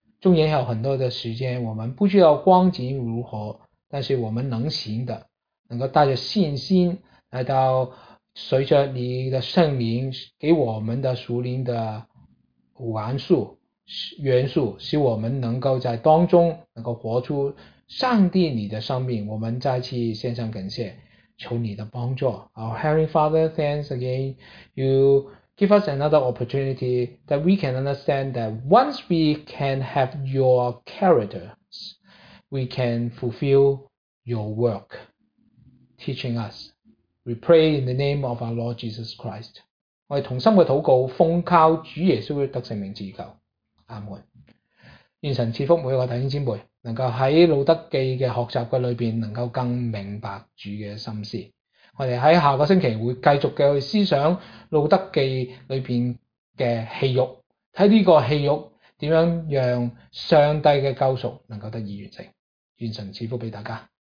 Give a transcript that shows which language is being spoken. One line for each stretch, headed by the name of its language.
Chinese: 纵然有很多的时间我们不知道光景如何，但是我们能行的，能够带着信心来到随着你的圣灵给我们的属灵的元素，使我们能够在当中能够活出上帝你的生命。我们再次献上感谢，求你的帮助。
English: Our Heavenly Father, thanks again. You give us another opportunity that we can understand that once we can have your character, we can fulfill your work teaching us. We pray in the name of our Lord Jesus Christ.
Chinese: 我们同心的祷告，奉靠主耶稣的圣名祈求，阿们。愿神赐福每个弟兄姊妹，能够在路德记的学习的里面能够更明白主的心思。我们在下个星期会继续的去思想路德记里面的气欲，看这个气欲怎样让上帝的救赎能够得以完成。愿神赐福给大家。